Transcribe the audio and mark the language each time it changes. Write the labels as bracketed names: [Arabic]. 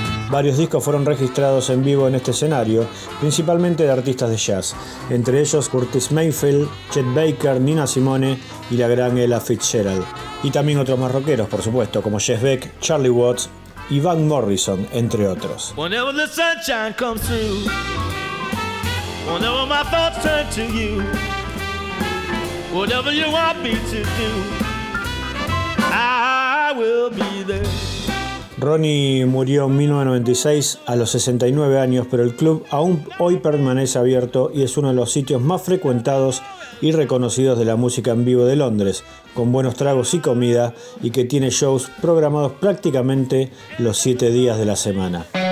[Spanish] Varios discos fueron registrados en vivo en este escenario, principalmente de artistas de jazz, entre ellos Curtis Mayfield, Chet Baker, Nina Simone y la gran Ella Fitzgerald. Y también otros más rockeros, por supuesto, como Jeff Beck, Charlie Watts y Van Morrison, entre otros. [English] Whenever the sunshine comes through, whenever my thoughts turn to you, whatever you want me to do, I will be there. [Spanish] Ronnie murió en 1996 a los 69 años, pero el club aún hoy permanece abierto y es uno de los sitios más frecuentados y reconocidos de la música en vivo de Londres, con buenos tragos y comida, y que tiene shows programados prácticamente los 7 días de la semana.